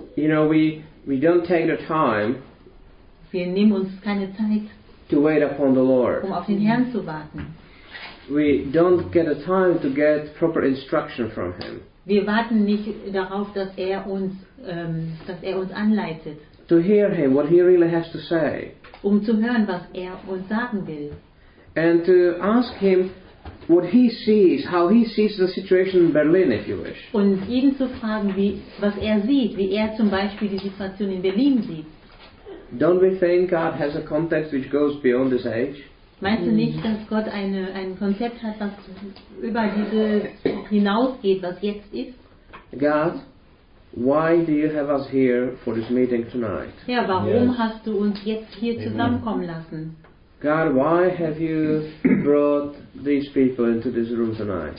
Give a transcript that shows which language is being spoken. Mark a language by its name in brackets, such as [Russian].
[English] You know, we don't take the time. [German] Wir nehmen uns keine Zeit. [English] To wait upon the Lord. [German] Um auf den Herrn zu warten. [English] We don't get a time to get proper instruction from Him. [German] Wir warten nicht darauf, dass er uns, anleitet. [English] To hear Him, what He really has to say. [German] Um zu hören, was er uns sagen will. [English] And to ask Him what He sees, how He sees the situation in Berlin, if you wish. [German] Und ihn zu fragen, was er sieht, wie er zum Beispiel die Situation in Berlin sieht. [English] Don't we think God has a context which goes beyond this age? [German] Meinst du nicht, dass Gott ein Konzept hat, was über dieses hinausgeht, was jetzt ist? [English] God, why do you have us here for this meeting tonight? [German] Ja, warum yes. hast du uns jetzt hier Amen. Zusammenkommen lassen? [English] God, why have you brought these people into this room tonight?